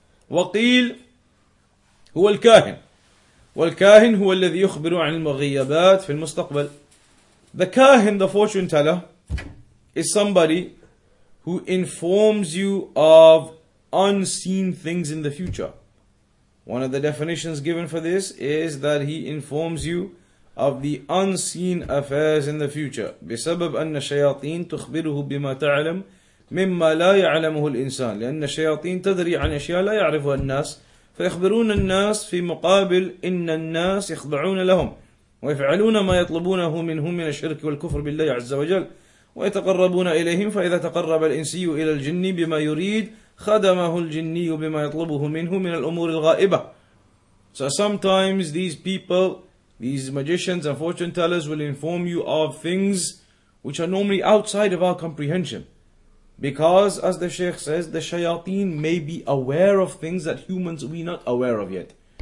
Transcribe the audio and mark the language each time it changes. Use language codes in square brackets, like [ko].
[ar] وَقِيلْ هُوَ الْكَاهِنُ وَالْكَاهِنُ هُوَ الَّذِي يُخْبِرُ عَنِ الْمُغِيَّبَاتِ فِي الْمُسْتَقْبَلِ. [en] The kahin, the fortune teller, is somebody who informs you of unseen things in the future. One of the definitions given for this is that he informs you of the unseen affairs in the future. [ar] بسبب أن الشياطين تخبره بما تعلم مما لا يعلمه الإنسان لأن الشياطين تدري عن أشياء لا يعرفها الناس فيخبرون الناس في مقابل إن الناس يخضعون لهم ويفعلون ما يطلبونه منهم من الشرك والكفر بالله عز وجل ويتقربون إليهم فإذا تقرب الإنسي إلى الجن بما يريد خدمه الجني بما يطلبه منه من الأمور الغائبة. [en] So sometimes these people, these magicians and fortune tellers, will inform you of things which are normally outside of our comprehension. Because, as the Shaykh says, the shayateen may be aware of things that humans we not aware of yet.